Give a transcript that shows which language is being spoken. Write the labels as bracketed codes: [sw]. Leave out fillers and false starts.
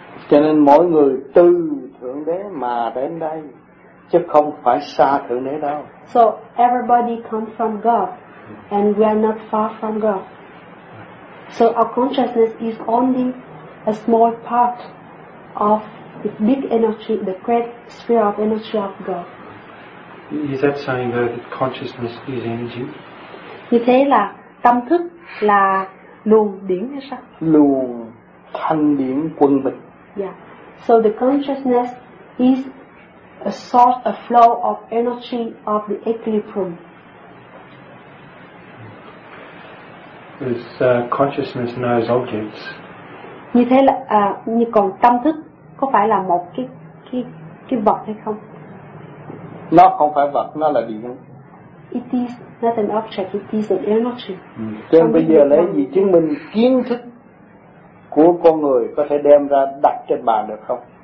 [vi] Cho nên mỗi người từ Thượng Đế mà đến đây, chứ không phải xa Thượng Đế đâu. [en] So everybody comes from God, and we are not far from God. So our consciousness is only a small part of the big energy, the great sphere of energy of God. Is that saying that consciousness is energy? [vi] Như thế là tâm thức là luồng điển hay sao? Luồng thanh điển quân bình. Yeah. [en] So the consciousness is a source, a flow of energy of the equilibrium. This consciousness knows objects. [vi] Như thế là như còn tâm thức có phải là một cái vật hay không? Nó không phải vật, nó là điện. [en] It is not an object, it is an energy. [vi] Cho nên bây giờ lấy gì chứng minh kiến thức của con người có thể đem ra đặt trên bàn được không?